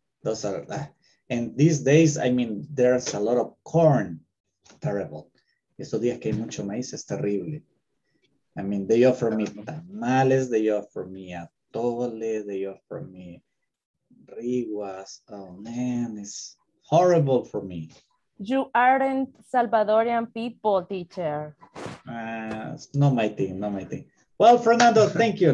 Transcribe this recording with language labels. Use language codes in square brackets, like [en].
[en] Those are, and these days, I mean, there's a lot of corn. Terrible. [es] Estos días que hay mucho maíz es terrible. [en] I mean, they offer me tamales, they offer me atole, they offer me riguas. Oh, man, it's horrible for me. You aren't Salvadorian people, teacher. It's not my thing. Well, Fernando, thank you.